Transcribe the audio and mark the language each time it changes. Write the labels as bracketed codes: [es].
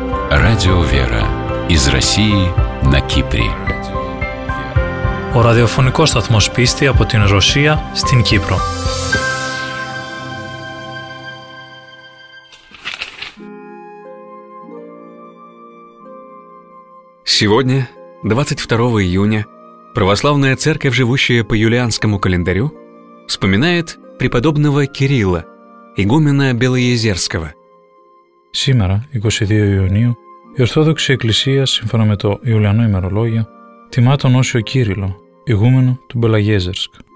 [ru] Радио Вера из России на Кипре. [el] Ο ραδιοφωνικός σταθμός πίστη από την Ρωσία στην Κύπρο. [ru] Сегодня, 22 июня, православная церковь, живущая по юлианскому календарю, вспоминает преподобного Кирилла, игумена Белоезерского. Сегодня, 22 июня, [el] η Ορθόδοξη Εκκλησία, σύμφωνα με το Ιουλιανό ημερολόγιο, τιμά τον Όσιο Κύριλο, ηγούμενο του Μπελαγέζερσκ.